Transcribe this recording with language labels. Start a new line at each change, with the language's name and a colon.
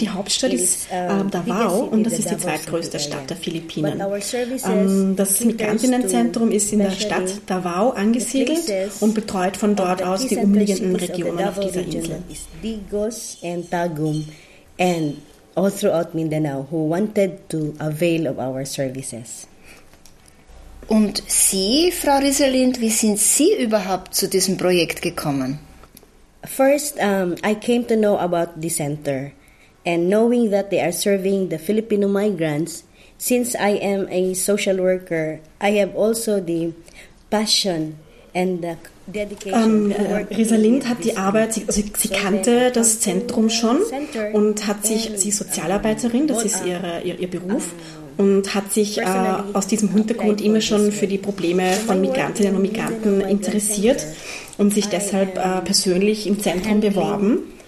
German: Die Hauptstadt ist Davao und das ist die zweitgrößte Stadt der Philippinen. Das Migrantinnenzentrum ist in der Stadt Davao angesiedelt und betreut von dort aus die umliegenden Regionen auf dieser Insel.
English: Digos and Tagum and all throughout Mindanao who wanted to avail of our services.
German: Und Sie, Frau Resalind, wie sind Sie überhaupt zu diesem Projekt gekommen?
English: First, I came to know about the center and knowing that they are serving the Filipino migrants. Since I am a social worker, I have also the passion and the
German: Resalind hat die Arbeit, sie kannte das Zentrum schon und hat sich, sie ist Sozialarbeiterin, das ist ihr Beruf, und hat sich aus diesem Hintergrund immer schon für die Probleme von Migrantinnen und Migranten interessiert und sich deshalb persönlich im Zentrum beworben.